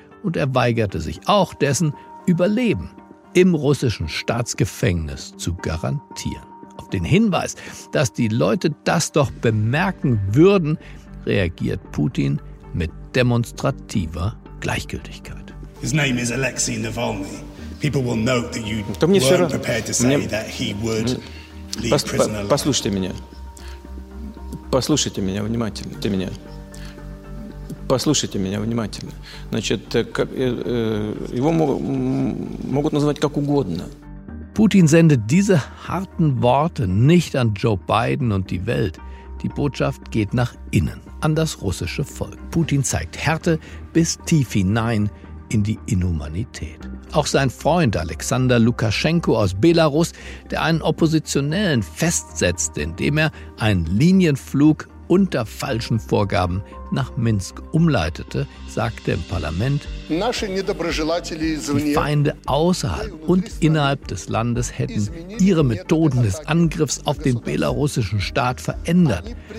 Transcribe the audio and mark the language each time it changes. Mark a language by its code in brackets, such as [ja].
[de] Und er weigerte sich auch dessen, Überleben im russischen Staatsgefängnis zu garantieren. Auf den Hinweis, dass die Leute das doch bemerken würden, reagiert Putin mit demonstrativer Gleichgültigkeit. [en] His name is Alexei Navalny. People will know that you weren't prepared to say that he would leave prison alive. [ru] Послушайте меня внимательно. Послушайте меня внимательно. Значит, его могут называть как угодно. [de] Putin sendet diese harten Worte nicht an Joe Biden und die Welt. Die Botschaft geht nach innen, an das russische Volk. Putin zeigt Härte bis tief hinein in die Inhumanität. Auch sein Freund Alexander Lukaschenko aus Belarus, der einen Oppositionellen festsetzt, indem er einen Linienflug unter falschen Vorgaben nach Minsk umleitete, sagte im Parlament, die Feinde außerhalb und innerhalb des Landes hätten ihre Methoden des Angriffs auf den belarussischen Staat verändert.